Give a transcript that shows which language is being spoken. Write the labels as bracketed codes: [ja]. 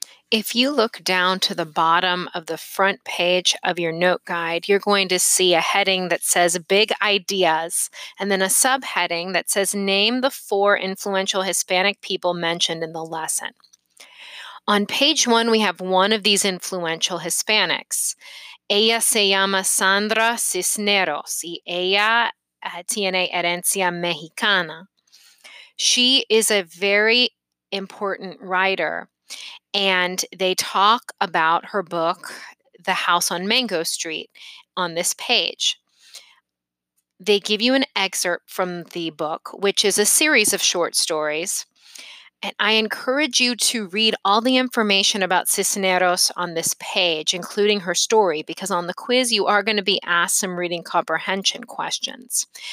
[en] If you look down to the bottom of the front page of your note guide, you're going to see a heading that says Big Ideas, and then a subheading that says Name the 4 influential Hispanic people mentioned in the lesson. On page 1, we have one of these influential Hispanics. [es] Ella se llama Sandra Cisneros, y ella tiene herencia mexicana. [en] She is a very important writer. And they talk about her book, The House on Mango Street, on this page. They give you an excerpt from the book, which is a series of short stories. And I encourage you to read all the information about Cisneros on this page, including her story, because on the quiz, you are going to be asked some reading comprehension questions.